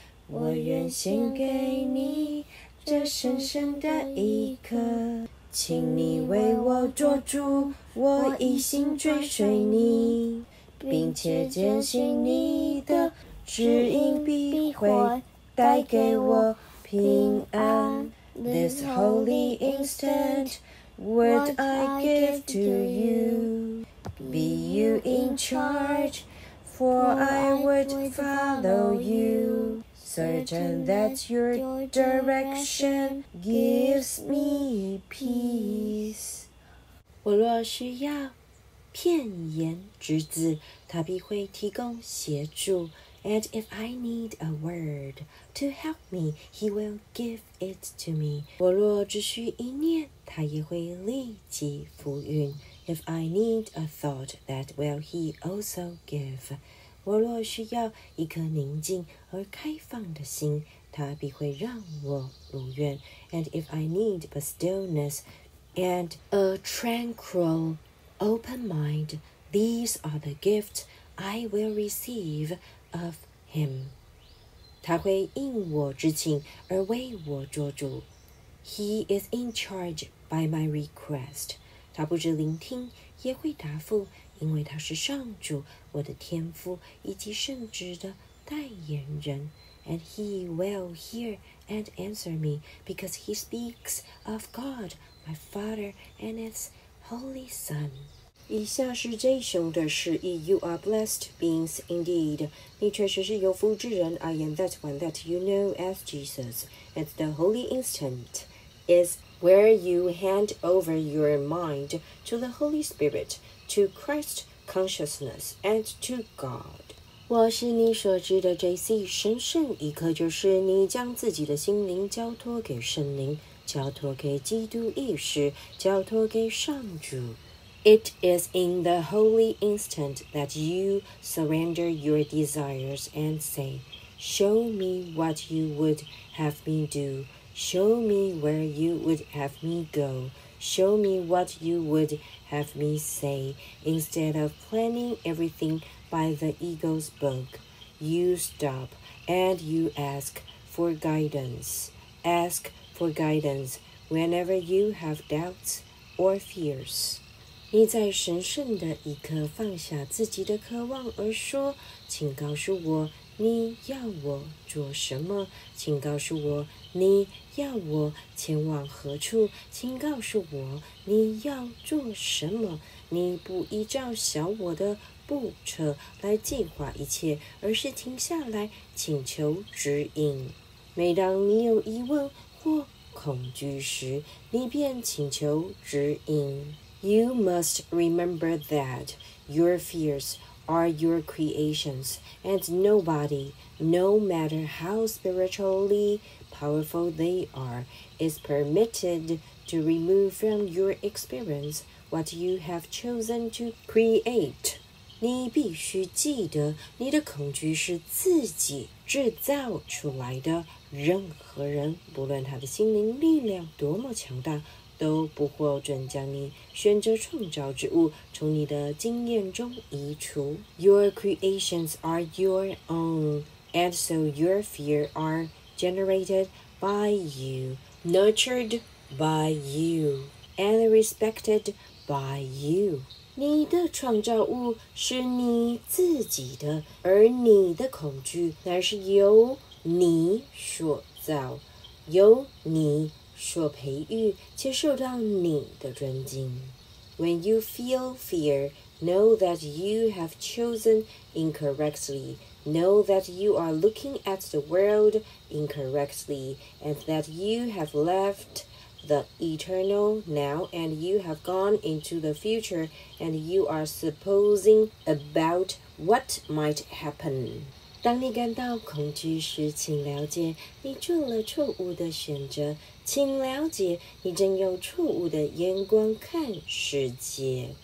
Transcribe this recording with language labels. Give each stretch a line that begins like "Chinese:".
Chinese: 我愿献给你这神圣的一刻，请你为我做主，我一心追随你，并且坚信你的指引必会带给我平安。
English: This holy instant what I give to you, be you in charge, for I would follow you. Certain that your direction gives me peace.
Chinese: 我若需要片言之字，他必会提供协助。
English: And if I need a word to help me, he will give it to me.
Chinese: 我若只需一念，他也会立即复运。
English: If I need a thought, that will he also give.
Chinese: 我若需要一颗宁静而开放的心，他必会让我如愿。
English: And if I need a stillness and a tranquil open mind, these are the gifts I will receive. of him.
Chinese: 他会应我之情而为我做主。
English: He is in charge by my request.
Chinese: 他不止聆听也会答复，因为他是上主，我的天父以及圣职的代言人。
English: And he will hear and answer me because he speaks of God, my Father, and his Holy Son.
Chinese: 以下是这首的诗意。
English: You are blessed beings indeed.
Chinese: 你确实是有福之人。
English: I am that one that you know as Jesus. And the holy instant is where you hand over your mind to the Holy Spirit, to Christ consciousness, and to God.
Chinese: 我是你所知的 JC, 神圣一刻就是你将自己的心灵交托给圣灵，交托给基督意识，交托给上主。
English: It is in the holy instant that you surrender your desires and say, Show me what you would have me do. Show me where you would have me go. Show me what you would have me say. Instead of planning everything by the ego's book, you stop and you ask for guidance. Ask for guidance whenever you have doubts or fears.
Chinese: 你在神圣的一刻放下自己的渴望而说，请告诉我你要我做什么，请告诉我你要我前往何处，请告诉我你要做什么。你不依照小我的步骤来计划一切，而是停下来请求指引。每当你有疑问或恐惧时，你便请求指引。
English: You must remember that your fears are your creations, and nobody, no matter how spiritually powerful they are, is permitted to remove from your experience what you have chosen to create.
Chinese: 你必须记得，你的恐惧是自己制造出来的。任何人，不论他的心灵力量多么强大，都不获准将你选择创造之物从你的经验中移除。
English: Your creations are your own, and so your fears are generated by you, nurtured by you, and respected by you.
Chinese: 你的创造物是你自己的，而你的恐惧乃是由你所造，由你所培育，接受到你的尊敬。
English: When you feel fear, Know that you have chosen incorrectly. Know that you are looking at the world incorrectly, and that you have left the eternal now, and you have gone into the future, and you are supposing about what might happen.
Chinese: 当你感到恐惧时，请了解你做了错误的选择，请了解你正用错误的眼光看世界。